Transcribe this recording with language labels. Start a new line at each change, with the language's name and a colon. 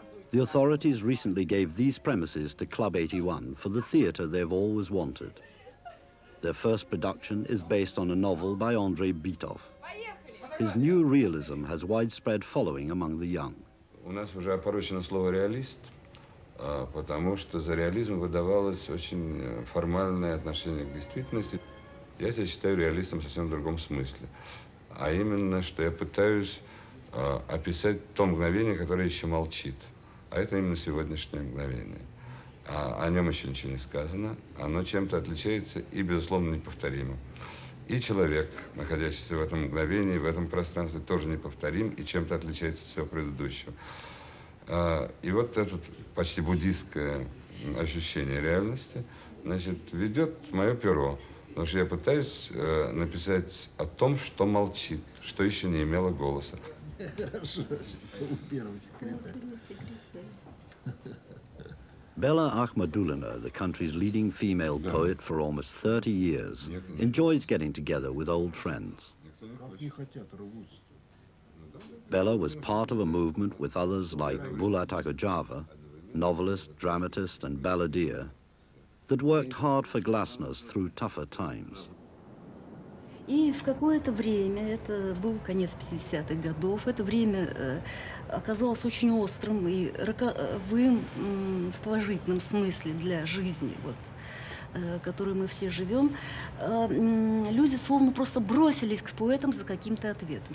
English: The authorities recently gave these premises to Club 81 for the theater they've always wanted. Their first production is based on a novel by Andrei Bitov. His new realism has widespread following among the young.
Russian: У нас уже опорочено слово реалист, потому что за реализм выдавалось очень формальное отношение к действительности. Я себя считаю реалистом совсем в другом смысле. А именно, что я пытаюсь описать то мгновение, которое еще молчит. А это именно сегодняшнее мгновение. А о нем еще ничего не сказано. Оно чем-то отличается и, безусловно, неповторимо. и человек, находящийся в этом мгновении, в этом пространстве, тоже неповторим и чем-то отличается от всего предыдущего. И вот это почти буддийское ощущение реальности, значит, ведет мое перо. Потому что я пытаюсь написать о том, что молчит, что еще не имело голоса.
English: Bella Ahmadulina, the country's leading female poet for almost 30 years, enjoys getting together with old friends. Bella was part of a movement with others like Bulat Akojava, novelist, dramatist, and balladeer, that worked hard for glasnost through tougher times.
Russian: И в какое-то время, это был конец 50-х годов, это время оказалось очень острым и роковым в положительном смысле для жизни, вот, которой мы все живем, люди словно просто бросились к поэтам за каким-то ответом.